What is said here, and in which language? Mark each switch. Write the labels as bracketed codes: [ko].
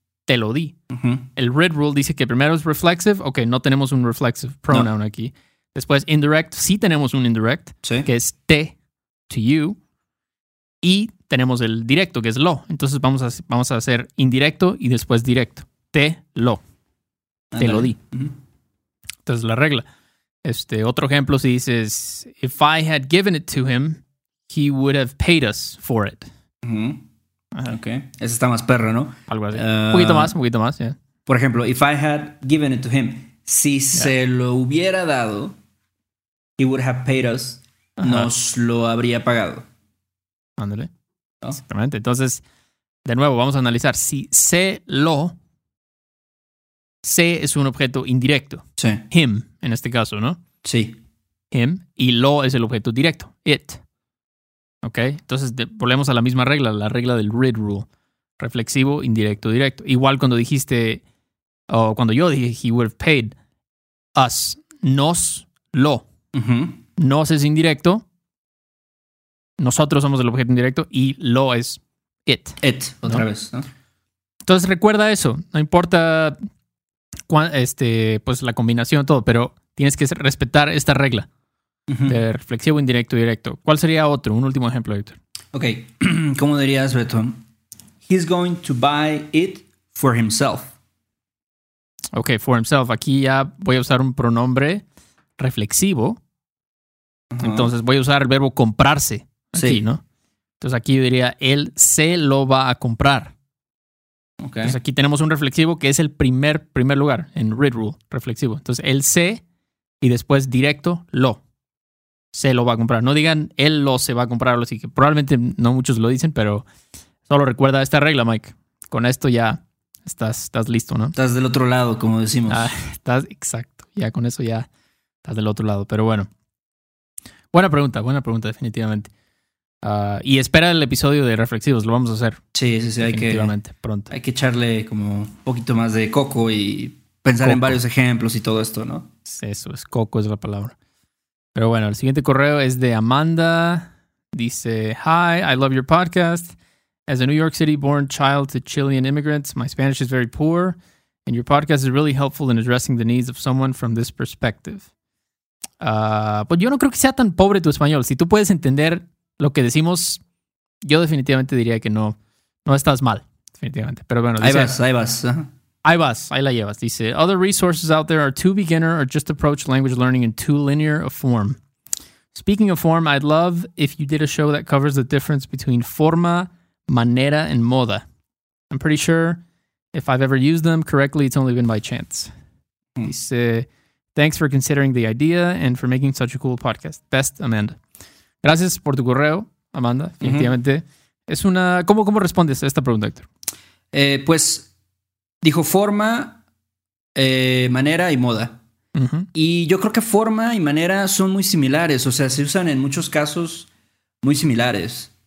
[es] El RID rule dice que primero es reflexive. Ok, no tenemos un reflexive pronoun aquí. Después, indirect, sí tenemos un indirect, que es te, [en] to you. [es] Y tenemos el directo, que es lo. Entonces vamos a hacer indirecto y después directo. Te, lo. Te lo di. Entonces la regla. Otro ejemplo, si dices, [en] if I had given it to him, he would have paid us for it. [es] Ok. Ese está más perro, ¿no? Algo así. Un poquito más, yeah. Por ejemplo, [en] if I had given it to him, [es] si se lo hubiera dado, [en] he would have paid us, [es] nos lo habría pagado. Ándale. ¿No? Exactamente. Entonces, de nuevo, vamos a analizar. Si se lo... Se es un objeto indirecto. Sí. Him, en este caso, ¿no? Sí. [en] Him. [es] Y lo es el objeto directo. It. ¿Ok? Entonces, volvemos a la misma regla. La regla del RID rule. Reflexivo, indirecto, directo. Igual cuando dijiste... O cuando yo dije, [en] he would have paid us. [es] Nos, lo. Nos es indirecto. Nosotros somos el objeto indirecto. Y lo es it. It, otra ¿no? vez. ¿No? Entonces, recuerda eso. No importa... la combinación todo, pero tienes que respetar esta regla de reflexivo, indirecto, directo. ¿Cuál sería otro? Un último ejemplo, Héctor. Ok, ¿cómo dirías, Beto? [en] He's going to buy it for himself. Ok, for himself. [es] Aquí ya voy a usar un pronombre reflexivo. Entonces voy a usar el verbo comprarse aquí, ¿no? Entonces aquí yo diría, él se lo va a comprar. [en] Okay. [es] Entonces aquí tenemos un reflexivo que es el primer lugar en RID rule, reflexivo. Entonces él se y después directo lo. Se lo va a comprar. No digan él lo se va a comprar. Así que probablemente no muchos lo dicen, pero solo recuerda esta regla, Mike. Con esto ya estás listo, ¿no? Estás del otro lado, como decimos. Exacto. Ya con eso ya estás del otro lado. Pero bueno. Buena pregunta, definitivamente. Y espera el episodio de reflexivos, lo vamos a hacer. Sí, definitivamente, pronto. Hay que echarle como un poquito más de coco y pensar coco en varios ejemplos y todo esto, ¿no? Eso es, coco es la palabra. Pero bueno, el siguiente correo es de Amanda. [en] Dice, hi, I love your podcast. As a New York City born child to Chilean immigrants, my Spanish is very poor, and your podcast is really helpful in addressing the needs of someone from this perspective. [es] Pues yo no creo que sea tan pobre tu español. Si tú puedes entender... lo que decimos, yo definitivamente diría que no estás mal, definitivamente. Pero bueno, dice, ahí vas. Ahí vas, ahí la llevas. [en] Dice, other resources out there are too beginner or just approach language learning in too linear a form. Speaking of form, I'd love if you did a show that covers the difference between forma, manera, and moda. I'm pretty sure if I've ever used them correctly, it's only been by chance. Hmm. Dice, thanks for considering the idea and for making such a cool podcast. Best, Amanda. [es] Gracias por tu correo, Amanda. Efectivamente. Mm-hmm. Es una... ¿Cómo respondes a esta pregunta, Héctor? Pues dijo forma, manera y moda. Uh-huh. Y yo creo que forma y manera son muy similares. O sea, se usan en muchos casos muy similares.